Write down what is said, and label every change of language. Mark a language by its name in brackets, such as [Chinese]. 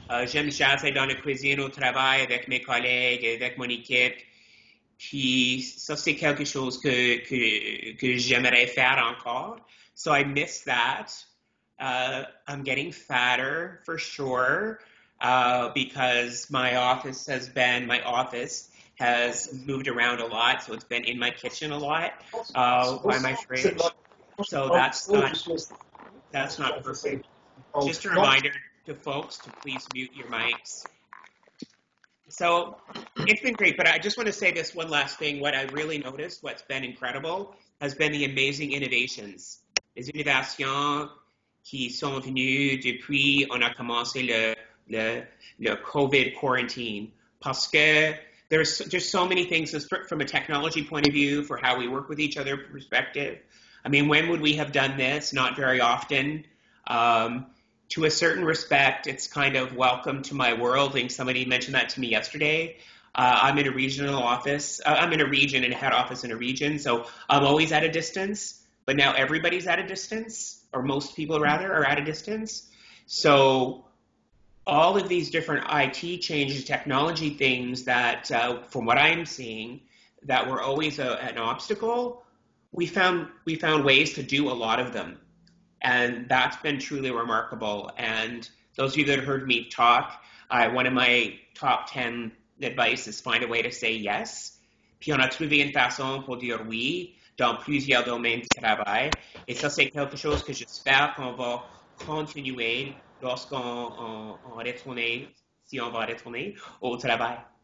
[French] J'aime jaser dans la cuisine au travail avec mes collègues, avec mon équipe. Puis ça, c'est quelque chose que j'aimerais faire encore. [English] So I miss that. I'm getting fatter for sure because my office has moved around a lot. So it's been in my kitchen a lot by my fridge. So that's not perfect. Just a reminder to folks to please mute your mics. So it's been great, but I just want to say this one last thing. What I really noticed, what's been incredible, has been the amazing innovations. [French] Les innovations qui sont venues depuis on a commencé le COVID quarantine. Parce que [English] there's so many things from a technology point of view for how we work with each other perspective. I mean, when would we have done this? Not very often. To a certain respect, it's kind of welcome to my world. I think somebody mentioned that to me yesterday. I'm in a regional office. I'm in a region and a head office in a region. So I'm always at a distance, but now everybody's at a distance, or most people rather are at a distance. So all of these different IT changes, technology things that from what I'm seeing that were always an obstacle, we found ways to do a lot of them. And that's been truly remarkable. And those of you that heard me talk, one of my top 10 advice is find a way to say yes. [French] Puis on a trouvé une façon pour dire oui dans plusieurs domaines de travail. Et ça, c'est quelque chose que j'espère qu'on va continuer lorsqu'on on retourne, si on va retourner au travail.